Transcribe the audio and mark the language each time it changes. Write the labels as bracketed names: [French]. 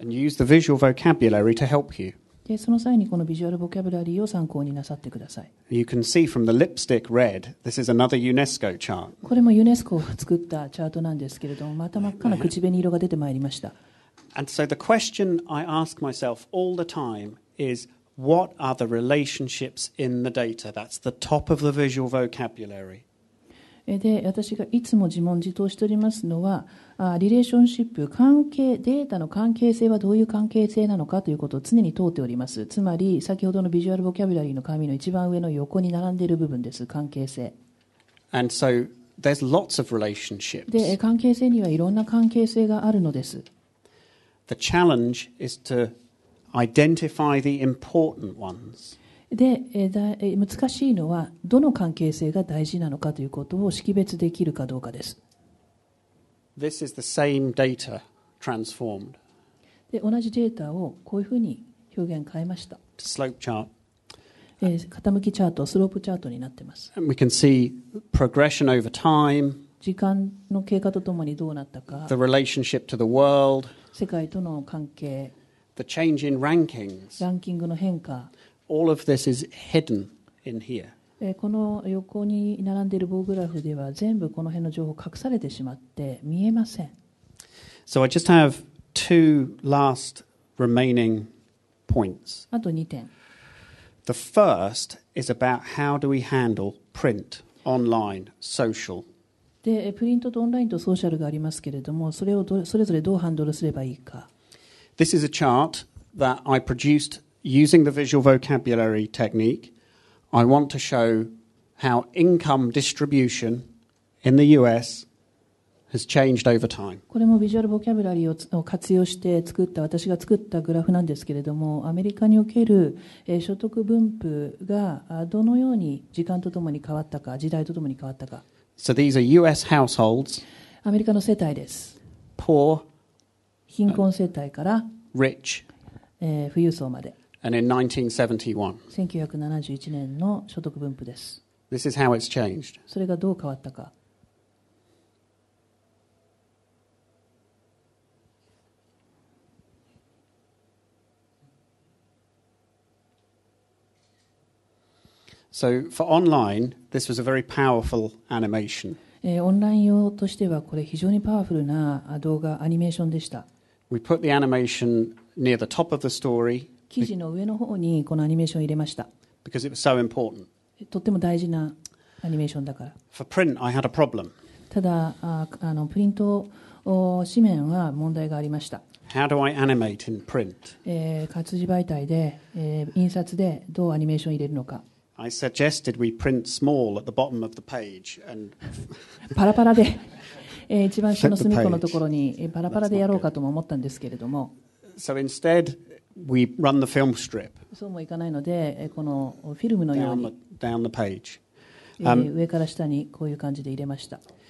[English] And use the visual vocabulary to help you. [Japanese] で、その際にこのビジュアルボキャブラリーを参考になさってください。 [English] You can see from the lipstick red, this is another UNESCO chart. [Japanese] これもユネスコが作ったチャートなんですけれども、また真っ赤な口紅色が出てまいりました。 [English] And so the question I ask myself all the time is, what are the relationships in the data? That's the top of the visual vocabulary. [Japanese] で、私がいつも自問自答しておりますのは、リレーションシップ、関係、データの関係性はどういう関係性なのかということを常に問うております。つまり、先ほどのビジュアルボキャブラリーの紙の一番上の横に並んでいる部分です、関係性。 [English] And so there's lots of relationships. [Japanese] で、関係性にはいろんな関係性があるのです。 [English] The challenge is to identify the important ones. [Japanese] で、難しいのはどの関係性が大事なのかということを識別できるかどうかです。 [English] This is the same data transformed. [Japanese] で、同じデータをこういうふうに表現変えました。 [English] Slope chart. [Japanese] 傾きチャート、スロープチャートになってます。 [English] And we can see progression over time. [Japanese] 時間の経過とともにどうなったか。 [English] The relationship to the world. [Japanese] 世界との関係、 [English] The change in rankings, [Japanese] ランキングの変化、 [English] All of this is hidden in here. [Japanese] この横に並んでいる棒グラフでは全部この辺の情報隠されてしまって見えません。 [English] So I just have two last remaining points. [Japanese] あと2点。 [English] The first is about how do we handle print, online, social. [Japanese] で、プリントとオンラインとソーシャルがありますけれども、それをそれぞれどうハンドルすればいいか。 [English] This is a chart that I produced using the visual vocabulary technique. I want to show how income distribution in the US has changed over time. [Japanese] これもビジュアルボキャブラリーを活用して作った、私が作ったグラフなんですけれども、アメリカにおける所得分布がどのように時間とともに変わったか、時代とともに変わったか。 [English] So these are U.S. households. [Japanese] アメリカの世帯です。 [English] Poor, [Japanese] 貧困世帯から、 [English] rich, [Japanese] 富裕層まで。 [English] And in 1971. [Japanese] 1971年の所得分布です。 [English] This is how it's changed. [Japanese] それがどう変わったか。 [English] So for online, this was a very powerful animation. [Japanese] オンライン用としてはこれ非常にパワフルな動画アニメーションでした。 [English] We put the animation near the top of the story. [Japanese] 記事の上の方にこのアニメーションを入れました。 [English] Because it was so important. [Japanese] とっても大事なアニメーションだから。 [English] For print, I had a problem. [Japanese] ただプリント紙面は問題がありました。 [English] How do I animate in print? [Japanese] 活字媒体で印刷でどうアニメーションを入れるのか。 [English] I suggested we print small at the bottom of the page and [Japanese] パラパラで一番下の隅っこのところにパラパラでやろうかとも思ったんですけれども。 [English] So instead, we run the film strip. [Japanese] そうもいかないのでこのフィルムのように [English] down the page. [Japanese] 上から下にこういう感じで入れました。